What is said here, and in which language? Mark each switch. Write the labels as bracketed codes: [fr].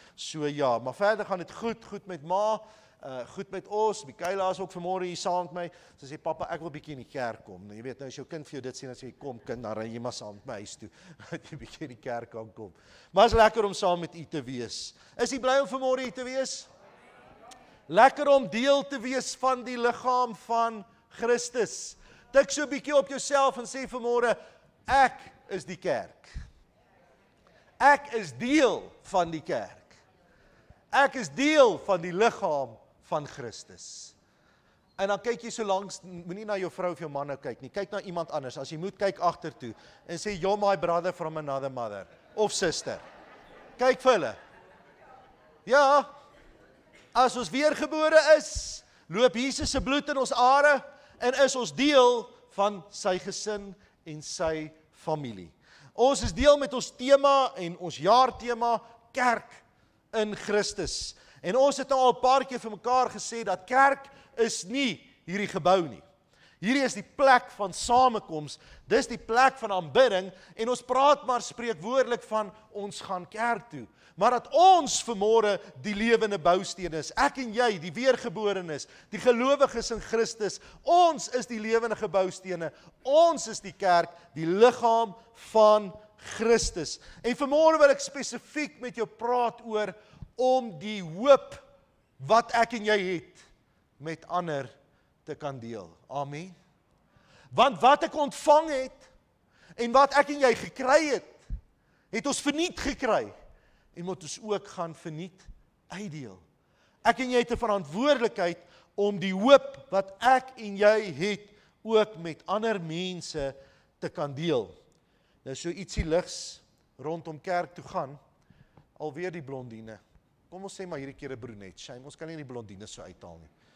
[af] So ja, maar verder gaan dit goed met ma, goed met ons. Michaela is ook vanmôre hier saam met my. Sy sê pappa, ek wil bietjie in die kerk kom. Nou, jy weet nou as jou kind vir jou dit sê dan sê jy kom kind, dan ry jy maar saam met my huis toe. Dat jy bietjie in die kerk kan kom. Maar is lekker om saam met u te wees. Is jy bly om vanmôre hier te wees? Lekker om deel te wees van die liggaam van Christus. Tik so 'n bietjie op jouself en sê vanmôre, ek is die kerk. Ek is deel van die kerk. Ek is deel van die liggaam van Christus. En dan kyk jy so langs, moenie na jou vrou of jou man nou kyk nie, kyk na iemand anders, as jy moet kyk agtertoe, en sê, [en] you're my brother from another mother, [af] of sister. Kyk vir hulle. Ja, as ons weergebore is, loop Jesus se bloed in ons are, en is ons deel van sy gesin en sy familie. Ons is deel met ons tema en ons jaartema, kerk in Christus. En ons het al 'n paar keer vir mekaar gesê dat kerk is nie hierdie gebou nie. Hierdie is die plek van samekoms, dis die plek van aanbidding, en ons praat maar spreekwoordelik van ons gaan kerk toe. Maar dat ons vanmôre die lewende bousteen is, ek en jy, die weergeborenes, die gelowiges in Christus, ons is die lewende boustene, ons is die kerk, die liggaam van Christus. En vanmôre wil ek spesifiek met jou praat oor om die hoop wat ek en jy het met ander te kan deel. Amen. Want wat ek ontvang het en wat ek en jy gekry het, het ons verniet gekry. En moet ons ook gaan verniet uitdeel. Ek en jy het 'n verantwoordelikheid om die hoop wat ek en jy het ook met ander mense te kan deel. Nou so ietsie ligs rondom kerk toe gaan, alweer die blondine. Kom ons sê maar hierdie keer 'n brunet. Shame, ons kan nie die blondine so uithaal nie.